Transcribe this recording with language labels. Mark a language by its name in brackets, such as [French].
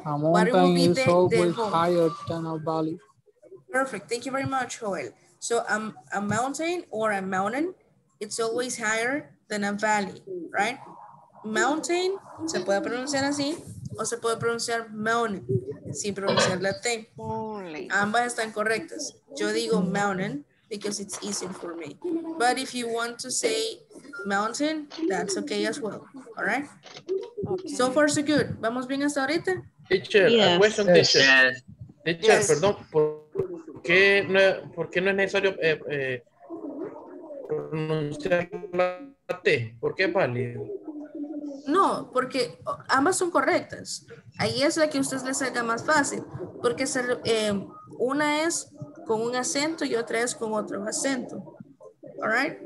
[English] A mountain is always higher than a valley. Perfect. Thank you very much, Joel. So a mountain or a mountain, it's always higher than a valley, right? [Spanish] Mountain, se puede pronunciar así, o se puede pronunciar mountain, sin pronunciar la T. Ambas están correctas. Yo digo [English] mountain because it's easier for me. But if you want to say mountain, that's okay as well, all right? Okay. So far, so good. [Spanish] ¿Vamos bien hasta ahorita? [English] Teacher, yes. [Spanish] Teacher, perdón, ¿por qué no es necesario pronunciar la T? ¿Por qué es válido? No, porque ambas son correctas. Ahí es la que a usted le salga más fácil, porque una es con un acento y otra es con otro acento. [English] All right?